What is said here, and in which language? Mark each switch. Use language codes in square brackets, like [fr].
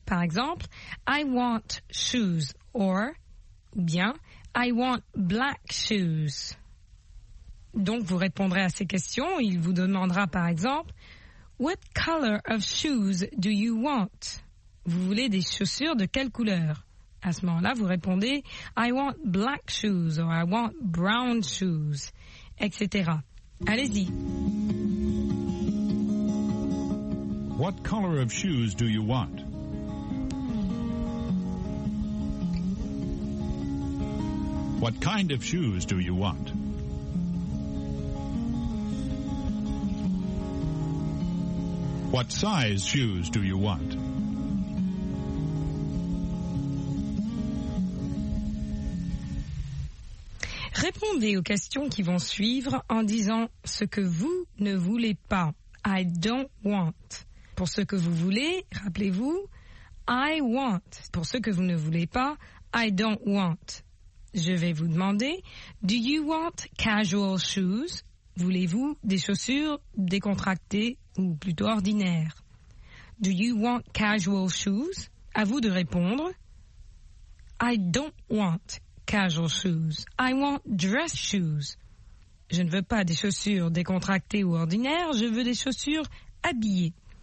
[fr] Par exemple, [en] I want shoes. Or, [fr] ou bien, [en] I want black shoes. [fr] Donc, vous répondrez à ces questions. Il vous demandera, par exemple, [en] What color of shoes do you want? [fr] Vous voulez des chaussures de quelle couleur? À ce moment-là, vous répondez « [en] I want black shoes [fr] » ou « [en] I want brown shoes [fr] », etc. Allez-y. [en] What color of shoes do you want? What kind of shoes do you want? What size shoes do you want? [fr] Répondez aux questions qui vont suivre en disant ce que vous ne voulez pas. [en] I don't want. [fr] Pour ce que vous voulez, rappelez-vous, [en] I want. [fr] Pour ce que vous ne voulez pas, [en] I don't want. [fr] Je vais vous demander, [en] do you want casual shoes? [fr] Voulez-vous des chaussures décontractées ou plutôt ordinaires? [en] Do you want casual shoes? [fr] À vous de répondre, [en] I don't want. Casual shoes. I want dress shoes. [fr] Je ne veux pas des chaussures décontractées ou ordinaires, je veux des chaussures habillées.